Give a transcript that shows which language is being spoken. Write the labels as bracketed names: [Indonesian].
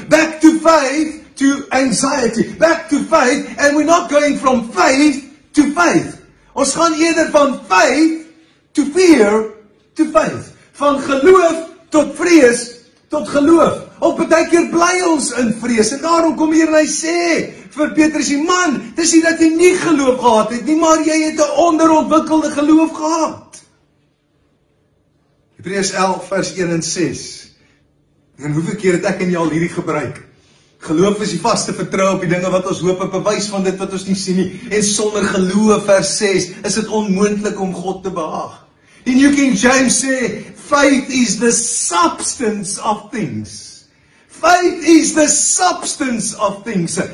[English] Back to faith to anxiety. Back to faith, and we're not going from faith to faith. [Afrikaans] Ons gaan eerder van [English] faith to fear to faith. [Afrikaans] Van geloof tot vrees tot geloof. Op baie keer bly ons in vrees en daarom kom hier en hy sê vir Petrus, die man, dis nie dat jy nie geloof gehad het nie, maar jy het 'n onderontwikkelde geloof gehad. Hebreërs 11 vers 1 en 6. En hoeveel keer het ek en jy al hierdie gebruik? Geloof is die vaste vertroue op die dinge wat ons hoop, 'n bewys van dit wat ons nie sien nie. En sonder geloof, vers 6, is dit onmoontlik om God te behaag. En New King James sê, [English] faith is the substance of things. Faith is the substance of things.